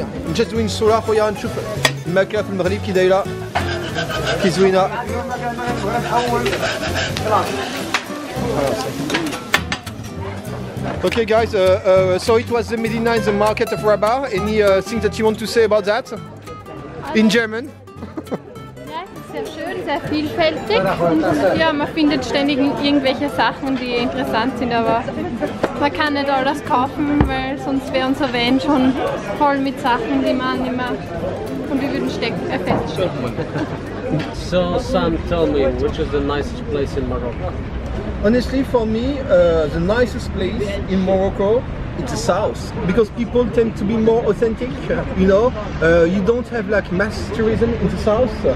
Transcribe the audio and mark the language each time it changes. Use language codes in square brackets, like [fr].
[en] I'm just doing Sura for you and show you. Okay, guys, so it was the Medina in the market of Rabat. Any thing that you want to say about that? In German? [de] Sehr schön, sehr vielfältig. Ja, man findet ständig irgendwelche Sachen, die interessant sind, aber man kann nicht alles kaufen, weil sonst wäre unser Van schon voll mit Sachen, die man nicht mehr. Und wir würden feststecken. [en] So, Sam, tell me, which is the nicest place in Morocco? Honestly, for me, the nicest place in Morocco, it's the south. Because people tend to be more authentic, you know. You don't have like mass tourism in the south.